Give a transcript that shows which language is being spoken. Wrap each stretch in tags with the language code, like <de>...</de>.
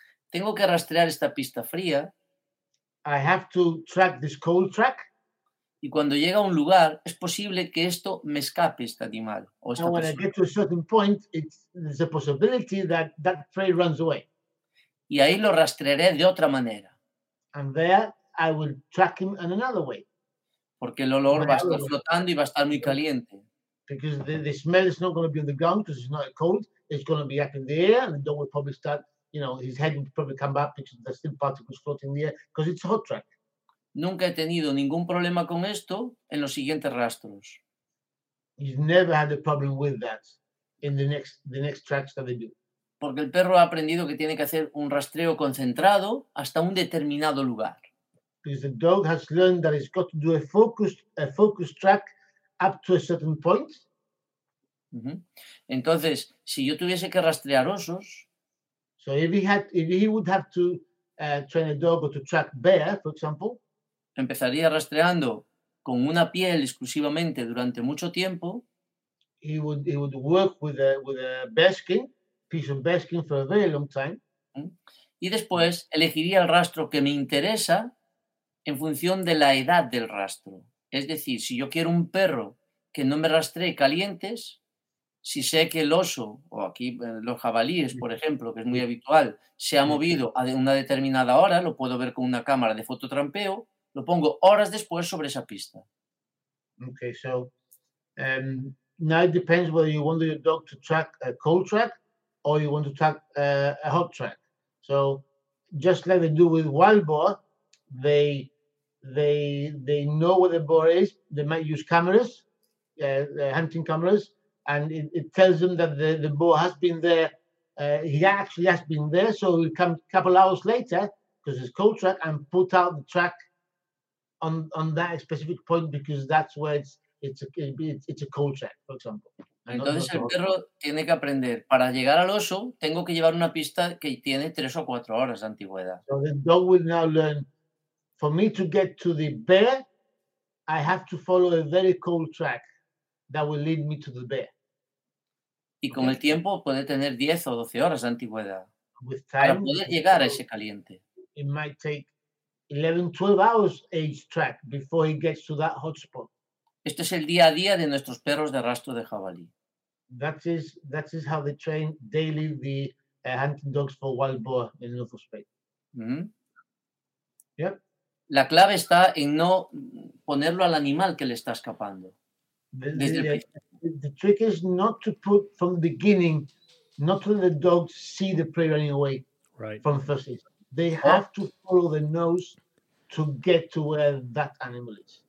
<es>Tengo que rastrear esta pista fría.</es> <en>I have to track this cold track.</en> <es>Y cuando llega a un lugar, es posible que esto me escape este animal. O esta</es> <en>when</en> <es>persona.</es> <en>I get to a certain point, there's a possibility that prey runs away.</en> <es>Y ahí lo rastrearé de otra manera.</es> <en>And there I will track him in another way.</en> <es>Porque el olor va a estar flotando y va a estar muy caliente.</es> <en>Because the smell is not going to be on the ground because it's not cold. It's going to be up in the air and the dog will probably start, you know, his head will probably come back because there's still particles floating in the air because it's a hot track.</en> <es>Nunca he tenido ningún problema con esto en los siguientes rastros.</es> <en>He's never had a problem with that in the next tracks that they do.</en> <es>Porque el perro ha aprendido que tiene que hacer un rastreo concentrado hasta un determinado lugar.</es> <en>Because the dog has learned that it's got to do a focused track up to a certain point.</en> <es>Entonces, si yo tuviese que rastrear osos,</es> <en>so if he would have to train a dog or to track bear, for example.</en> <es>Empezaría rastreando con una piel exclusivamente durante mucho tiempo.</es> <en>He would work with a bearskin, piece of bearskin for a very long time.</en> <es>Y después elegiría el rastro que me interesa en función de la edad del rastro. Es decir, si yo quiero un perro que no me rastree calientes, si sé que el oso, o aquí los jabalíes, por ejemplo, que es muy habitual, se ha movido a una determinada hora, lo puedo ver con una cámara de fototrampeo, lo pongo horas después sobre esa pista.</es> <en>Okay, so Now it depends whether you want your dog to track a cold track or you want to track a hot track. So just like they do with wild boar, they know where the boar is. They might use cameras, hunting cameras, and it tells them that the boar has been there. He actually has been there, so he'll come a couple hours later because it's cold track and put out the track on that specific point because that's where it's a cold track, for example.</en> <es>Entonces el perro tiene que aprender. Para llegar al oso, tengo que llevar una pista que tiene 3 o 4 horas de antigüedad.</es> <en>So the dog will now learn, for me to get to the bear, I have to follow a very cold track that will lead me to the bear.</en> <es>Y con el tiempo puede tener 10 o 12 horas de antigüedad</es> <en>with time,</en> <es>para poder llegar a ese caliente.</es> <en>It might take 11, 12 hours each track before he gets to that hot spot.</en> <es>Este es el día a día de nuestros perros de rastro de jabalí.</es> <en>That is how they train daily the hunting dogs for wild boar in North of Spain. Mm-hmm. Yep.</en> <es>La clave está en no ponerlo al animal que le está escapando.</es> <en>The trick is not to put from the beginning, not to let the dogs see the prey running away right from the first season. They have to follow the nose to get to where that animal is.</en>